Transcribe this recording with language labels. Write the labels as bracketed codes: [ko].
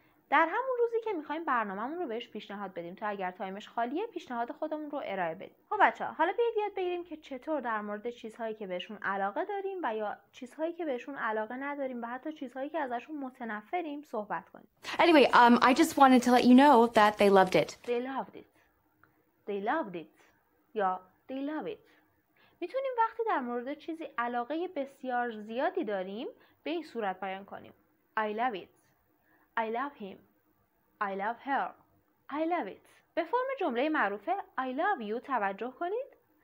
[fa] در همون روزی که میخواییم برنامه‌مون رو بهش پیشنهاد بدیم تا اگر تایمش خالیه پیشنهاد خودمون رو ارائه بدیم. خب بچه ها، حالا بیاید یاد بگیریم که چطور در مورد چیزهایی که بهشون علاقه داریم و یا چیزهایی که بهشون علاقه نداریم و حتی چیزهایی که ازشون متنفریم صحبت کنیم. [en] Anyway, I just wanted to let you know that they loved it. They loved it. They loved it. [fa] یا [en] they love it. [fa] میتونیم وقتی در مورد چیزی علاقه بسیار زیادی داریم به این صورت بیان کنیم. [en] I love it. I love him. I love her. I love it. [fa] به فرم جمله معروفه [en] I love you [fa] توجه کنید.